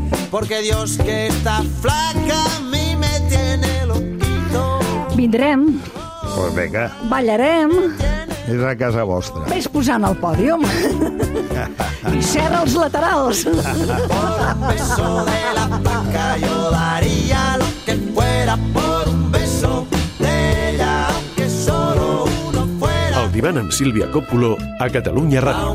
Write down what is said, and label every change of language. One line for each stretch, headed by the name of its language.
Spanish: Porque Dios que está flaca a mí me tiene loquito.
Catalan: Vindrem.
Spanish: Pues venga.
Catalan: Ballarem. És a casa vostra. Ves posant el pòdium i serra els laterals.
Spanish: Por un beso de la paca yo daría lo que fuera. Por un beso de ella, aunque solo uno fuera.
Catalan: El divan amb Sílvia Còpulo a Catalunya Ràdio.